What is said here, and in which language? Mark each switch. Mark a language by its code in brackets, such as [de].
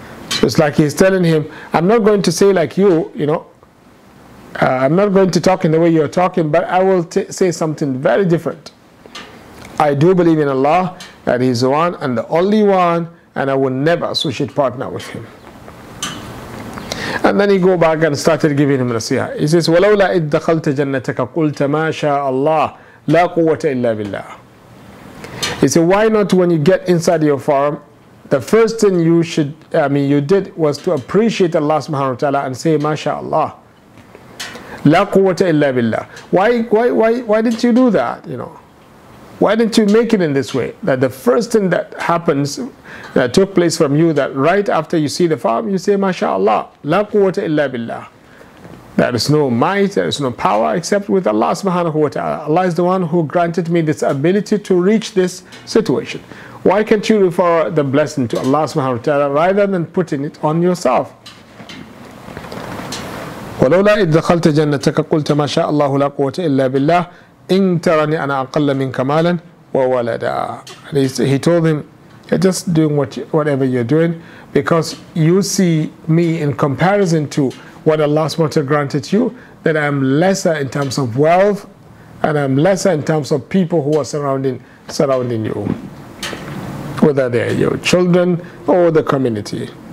[en] So it's like he's telling him, I'm not going to say like you, you know, I'm not going to talk in the way you're talking, but I will say something very different. I do believe in Allah, that He's the one and the only one, and I will never associate partner with Him. And then he go back and started giving him nasiha. He says, [ar] وَلَوْلَا إِذْ دَخَلْتَ جَنَّتَكَ قُلْتَ مَا شَاءَ اللَّهِ لَا قُوَّةَ إِلَّا بِاللَّهِ. [en] He said, why not when you get inside your farm, the first thing you did was to appreciate Allah subhanahu wa ta'ala and say, MashaAllah. [ar] لا قوة إلا بالله. [en] Why didn't you do that? You know, why didn't you make it in this way? That the first thing that happens, that took place from you, that right after you see the farm, you say, MashaAllah, [ar] لا قوة إلا بالله. [en] There is no might, there is no power except with Allah subhanahu wa ta'ala. Allah is the one who granted me this ability to reach this situation. Why can't you refer the blessing to Allah subhanahu wa ta'ala rather than putting it on yourself? [ar] ولولا إذ دخلت جنتك قلت ما شاء الله لا قوة إلا بالله إن ترني أنا أقل منك مالا وولدا. [en] He told him, you're just doing whatever you're doing because you see me in comparison to what Allah subhanahu wa ta'ala granted you, that I'm lesser in terms of wealth and I'm lesser in terms of people who are surrounding you, whether they're your children or the community.